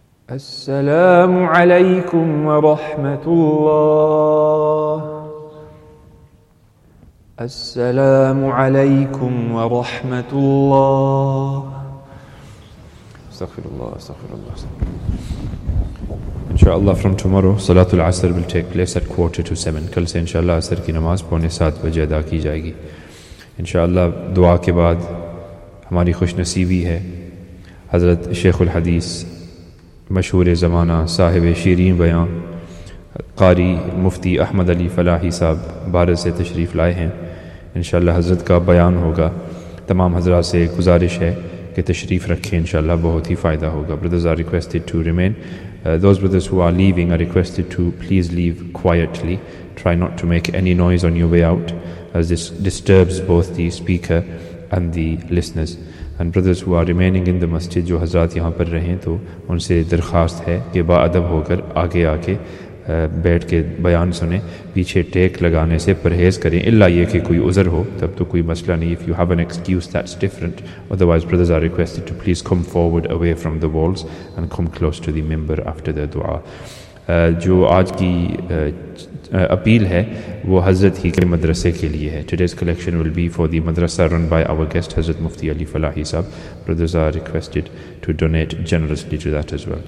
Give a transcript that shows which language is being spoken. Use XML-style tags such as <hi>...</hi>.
<ar>السلام عليكم ورحمة الله. السلام عليكم ورحمة الله. استغفر الله استغفر الله.</ar> <en>Inshallah, from tomorrow, Salatul Asr will take place at 6:45.</en> <ur>Kal se inshallah Asr ki namaz paune 7 baje ada ki jayegi. Inshallah, dua ke baad hamari khush naseebi hai Hazrat Sheikh ul Hadith, مشہور زمانہ صاحب شیرین بیان قاری مفتی احمد علی فلاحی صاحب بھارت سے تشریف لائے ہیں. انشاءاللہ حضرت کا بیان ہوگا. تمام حضرات سے گزارش ہے کہ تشریف رکھیں, انشاءاللہ بہت ہی فائدہ ہوگا.</ur> <en>Brothers are requested to remain. Those brothers who are leaving are requested to please leave quietly. Try not to make any noise on your way out as this disturbs both the speaker and the listeners. And brothers who are remaining in the masjid, جو حضرات یہاں پر رہیں, تو ان سے درخواست ہے کہ با ادب ہو کر آگے آ کے بیٹھ کے بیان سنیں, پیچھے ٹیک لگانے سے پرہیز کریں, الا یہ کہ کوئی عذر ہو, تب تو کوئی مسئلہ نہیں. If you have an excuse, that's different. Otherwise, brothers are requested to please come forward away from the walls and come close to the member after the دعا.</en> <ur>جو آج کی اپیل ہے وہ حضرت ہی کے مدرسے کے لیے ہے.</ur> <en>Today's collection will be for the madrasa run by our guest Hazrat Mufti Ali Falahi صاحب. Brothers are requested to donate generously to that as well.</en>